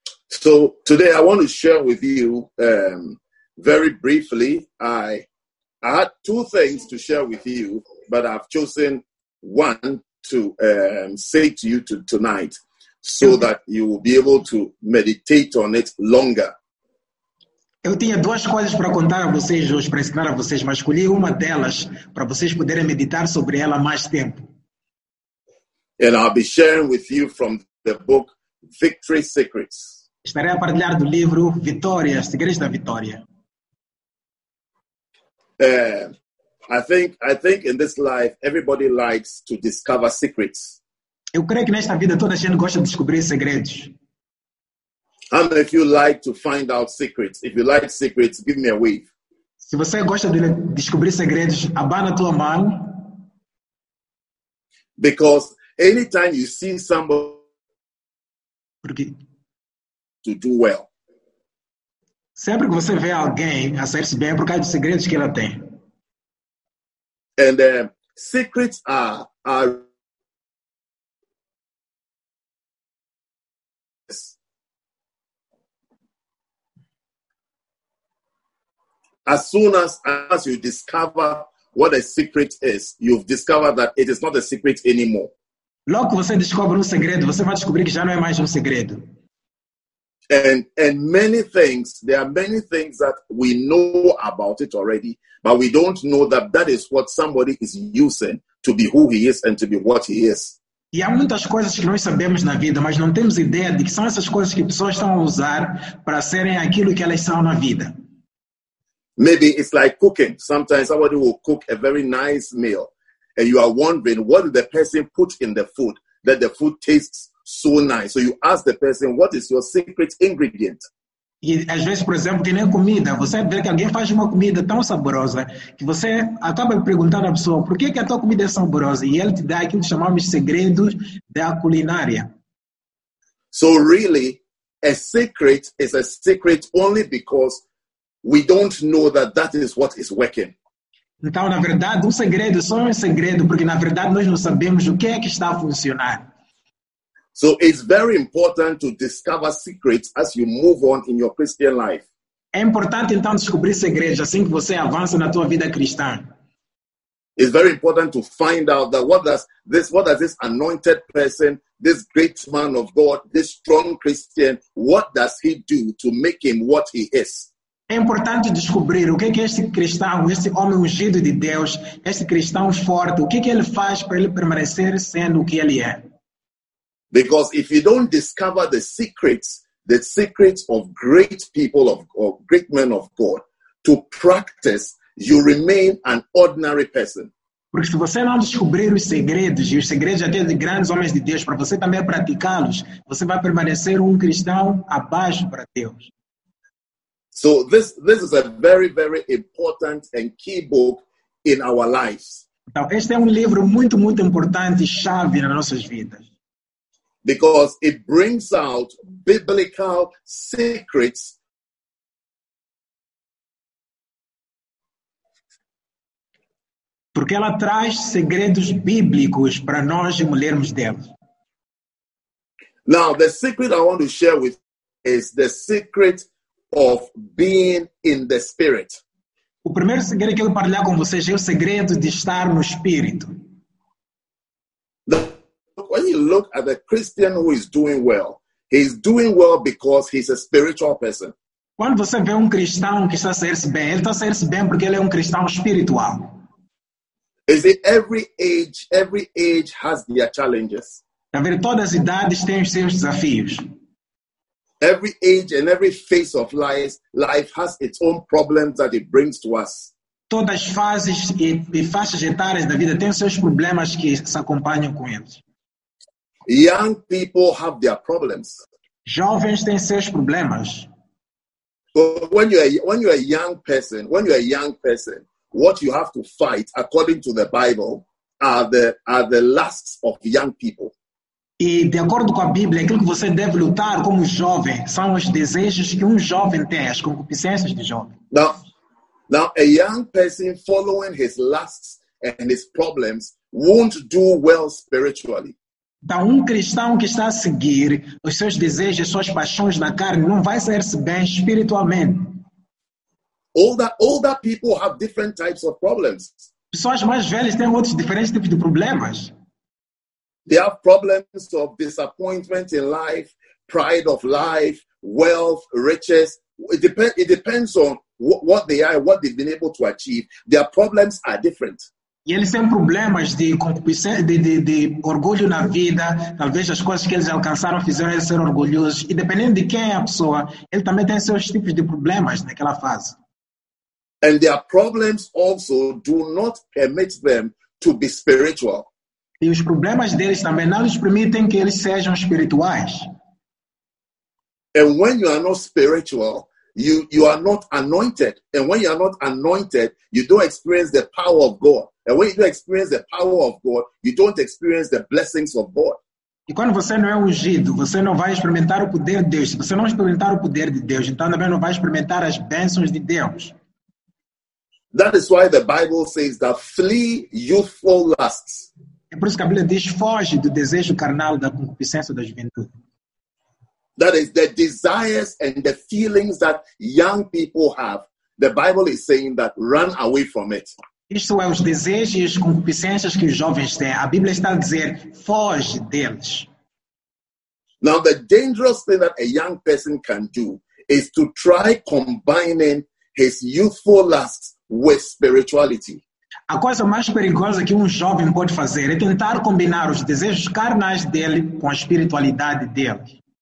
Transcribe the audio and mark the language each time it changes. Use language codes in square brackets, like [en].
[en] So today I want to share with you very briefly. I had two things to share with you, but I've chosen one to say to you tonight so that you will be able to meditate on it longer. [pt] Eu tinha duas coisas para contar a vocês hoje, para ensinar a vocês, mas escolhi uma delas para vocês poderem meditar sobre ela mais tempo. [en] And I'll be sharing with you from the book Victory Secrets. [pt] Estarei a partilhar do livro Vitória, Segredos da Vitória. [en] I think in this life everybody likes to discover secrets. [pt] Eu creio que nesta vida toda a gente gosta de descobrir segredos. [en] How many of you like to find out secrets? If you like secrets, give me a wave. [pt] Se você gosta de descobrir segredos, abana tua mão. [en] Because anytime you see somebody to do well. [pt] Sempre que você vê alguém a sair-se bem, é por causa dos segredos que ela tem. [en] And secrets are As soon as you discover what a secret is, you've discovered that it is not a secret anymore. [pt] Logo que você descobre segredo, você vai descobrir que já não é mais segredo. [en] And many things, there are many things that we know about it already, but we don't know that is what somebody is using to be who he is and to be what he is. [pt] E há muitas coisas que nós sabemos na vida, mas não temos ideia de que são essas coisas que pessoas estão a usar para serem aquilo que elas são na vida. [en] Maybe it's like cooking. Sometimes somebody will cook a very nice meal and you are wondering, what did the person put in the food that the food tastes so nice? So you ask the person, what is your secret ingredient? [pt] E às vezes, por exemplo, que nem comida. Você vê que alguém faz uma comida tão saborosa que você acaba perguntando à pessoa, por que a tua comida é saborosa? E ele te dá aquilo que chamamos segredos da culinária. [en] So really, a secret is a secret only because we don't know that is what is working. [pt] Então, na verdade, segredo só segredo, porque na verdade nós não sabemos o que está a funcionar. [en] So it's very important to discover secrets as you move on in your Christian life. [pt] É importante então descobrir segredos assim que você avança na tua vida cristã. [en] It's very important to find out that what does this anointed person, this great man of God, this strong Christian, what does he do to make him what he is? [pt] É importante descobrir o que este cristão, este homem ungido de Deus, este cristão forte, o que ele faz para ele permanecer sendo o que ele é. [en] Because if you don't discover the secrets of great people of great men of God to practice, you remain an ordinary person. [pt] Porque se você não descobrir os segredos, e os segredos até de grandes homens de Deus, para você também praticá-los, você vai permanecer cristão abaixo para Deus. [en] So this is a very, very important and key book in our lives. [pt] Então, este é livro muito, muito importante e chave nas nossas vidas. [en] Because it brings out biblical secrets [pt] porque ela traz segredos bíblicos para nós e mulhermos dela. [en] Now, the secret I want to share with you is the secret of being in the spirit. [pt] O primeiro segredo que eu vou partilhar com vocês é o segredo de estar no espírito. [en] When you look at a Christian who is doing well, he's doing well because he's a spiritual person. [pt] Quando você vê cristão que está a sair-se bem, ele está a sair-se bem porque ele é cristão espiritual. [en] Is it every age has their challenges? [pt] Na verdade, todas as idades têm os seus desafios. [en] Every age and every phase of life has its own problems that it brings to us. [pt] Todas as fases e faixas etárias da vida têm seus problemas que se acompanham com eles. [en] Young people have their problems. [pt] Jovens têm seus problemas. [en] When you're a young person, what you have to fight, according to the Bible, are the lusts of young people. [pt] E de acordo com a Bíblia, aquilo que você deve lutar como jovem são os desejos que um jovem tem, as concupiscências de jovem. [en] Now, a young person following his lusts and his problems won't do well spiritually. [pt] Então, um cristão que está a seguir os seus desejos, as suas paixões da carne, não vai sair-se bem espiritualmente. [en] Older people have different types of problems. [pt] Pessoas mais velhas têm outros diferentes tipos de problemas. [en] They have problems of disappointment in life, pride of life, wealth, riches. It depends on what they are, what they've been able to achieve. Their problems are different. [pt] E eles têm problemas de orgulho na vida, talvez as coisas que eles alcançaram fizeram eles ser orgulhosos. E dependendo de quem é a pessoa, ele também tem seus tipos de problemas naquela fase. [en] And their problems also do not permit them to be spiritual. [pt] E os problemas deles também não lhes permitem que eles sejam espirituais. [en] And when you are not spiritual, you are not anointed. And when you are not anointed, you don't experience the power of God. And when you don't experience the power of God, you don't experience the blessings of God. [pt] E quando você não é ungido, você não vai experimentar o poder de Deus. Se você não experimentar o poder de Deus, então também não vai experimentar as bênçãos de Deus. [en] That is why the Bible says that flee youthful lusts. [pt] É por isso que a Bíblia diz, foge do desejo carnal da concupiscência da juventude. [en] That is the desires and the feelings that young people have. The Bible is saying that run away from it. [pt] Isso é os desejos e as concupiscências que os jovens têm. A Bíblia está a dizer, foge deles. [en] Now, the dangerous thing that a young person can do is to try combining his youthful lusts with spirituality. [pt] A coisa mais perigosa que um jovem pode fazer é tentar combinar os desejos carnais dele com a espiritualidade dele.